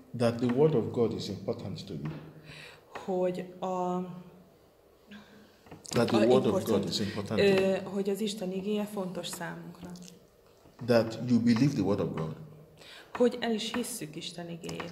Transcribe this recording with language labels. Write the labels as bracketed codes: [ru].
[en] That the word of God is important to you. [hu] Hogy a [en] that the word of God is important to you. [hu] Hogy az Isten igéje fontos számunkra. [en] That you believe the word of God. [hu] Hogy el is hisszük Isten igéjét.